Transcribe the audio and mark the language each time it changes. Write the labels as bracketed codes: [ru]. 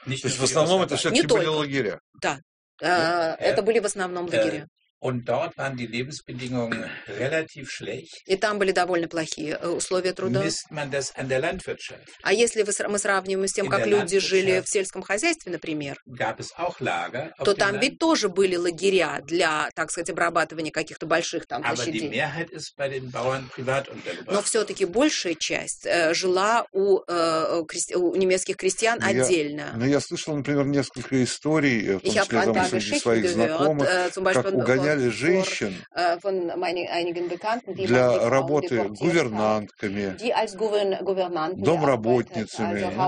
[ru] То есть в основном это все-таки были лагеря? Да, это были в основном лагеря. [de] Und dort waren die Lebensbedingungen relativ schlecht. [ru] И там были довольно плохие условия труда. [de] Misst man das an der Landwirtschaft? [ru] А если мы сравниваем с тем, как люди жили в сельском хозяйстве, например, [de] gab es auch Lager auf [ru] то там ведь тоже были лагеря для, так сказать, обрабатывания каких-то больших там площадей. [de] Aber die Mehrheit ist bei den Bauern privat untergebracht. [ru] Но все-таки большая часть жила у немецких крестьян отдельно. Но я слышал, например, несколько историй, в том числе там, среди своих знакомых, как гоняли женщин для работы гувернантками, домработницами.